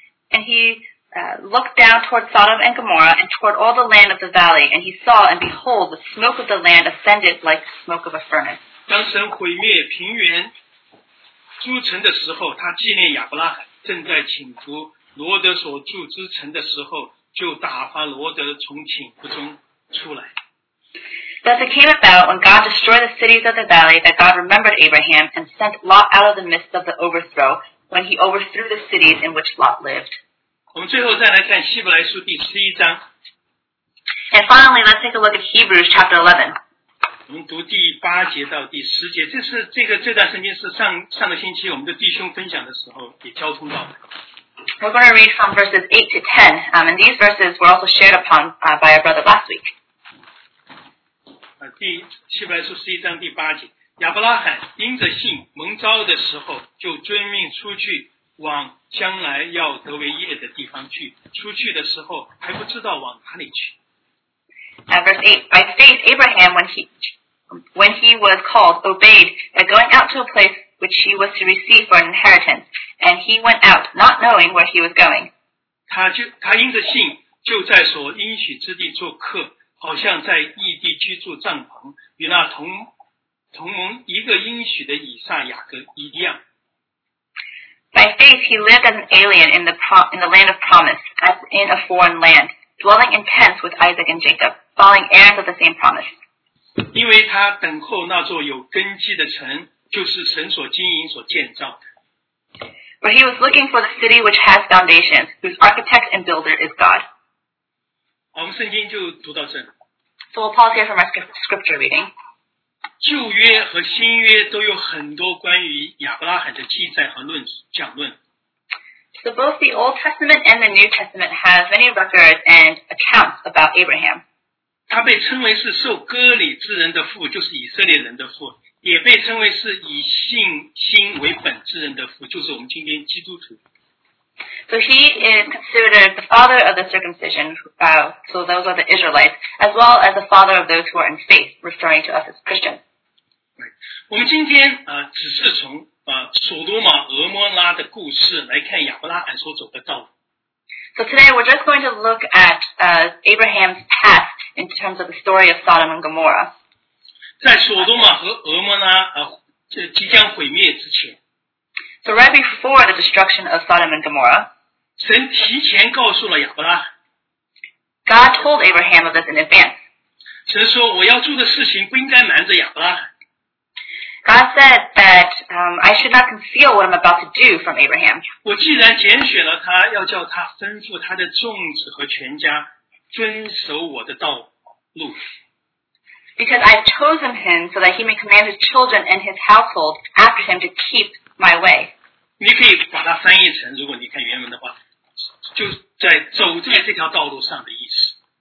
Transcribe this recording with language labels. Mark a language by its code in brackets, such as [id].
[en] And he looked down toward Sodom and Gomorrah and toward all the land of the valley, and he saw, and behold, the smoke of the land ascended like the smoke of a furnace. [zh] 当神毁灭平原诸城的时候，他纪念亚伯拉罕正在请服罗德所住之城的时候，就打发罗德从请服中出来。 [en] Thus it came about when God destroyed the cities of the valley that God remembered Abraham and sent Lot out of the midst of the overthrow when he overthrew the cities in which Lot lived. [zh] 我们最后再来看希伯来书第十一章。 [en] And finally, let's take a look at Hebrews chapter 11. [zh] 我们读第八节到第十节，这是这段圣经是上个星期我们的弟兄分享的时候也交通到的。 [en] We're going to read from verses 8 to 10, and these verses were also shared upon by our brother last week. [zh] 第希伯来书十一章第八节，亚伯拉罕因着信蒙召的时候，就遵命出去往将来要得为业的地方去。出去的时候还不知道往哪里去。 [en] Verse 8, by faith Abraham, when he was called, obeyed by going out to a place which he was to receive for an inheritance, and he went out not knowing where he was going. [zh] 他因着信就在所应许之地做客。好像在异地居住帐篷，与那同盟一个应许的以撒、雅各一样。 [en] By faith he lived as an alien in the land of promise, as in a foreign land, dwelling in tents with Isaac and Jacob, following heirs of the same promise. [zh] 因为他等候那座有根基的城，就是神所经营、所建造的。 [en] For he was looking for the city which has foundations, whose architect and builder is God. [zh] 我们圣经就读到这里。 [en] So we'll pause here for my scripture reading. [zh] 旧约和新约都有很多关于亚伯拉罕的记载和讲论。 [en] So both the Old Testament and the New Testament have many records and accounts about Abraham. [zh] 他被称为是受割礼之人的父，就是以色列人的父，也被称为是以信心为本之人的父，就是我们今天基督徒。 [en] So he is considered the father of the circumcision, so those are the Israelites, as well as the father of those who are in faith, referring to us as Christians. Right. [zh] 我们今天只是从所多玛、俄摩拉的故事来看亚伯拉罕所走的道路。 [en] So today we're just going to look at Abraham's path in terms of the story of Sodom and Gomorrah. [zh] 在索多玛和俄摩拉即将毁灭之前。 [en] So right before the destruction of Sodom and Gomorrah, [zh] 神提前告诉了亚伯拉。 [en] God told Abraham of this in advance. [zh] 神说我要做的事情不应该瞒着亚伯拉。 [en] God said that I should not conceal what I'm about to do from Abraham. [zh] 我既然拣选了他，要叫他吩咐他的众子和全家遵守我的道路。 [en] Because I've chosen him so that he may command his children and his household after him to keep my way. [zh] 你可以把它翻译成，如果你看原文的话，就在走在这条道路上的意思。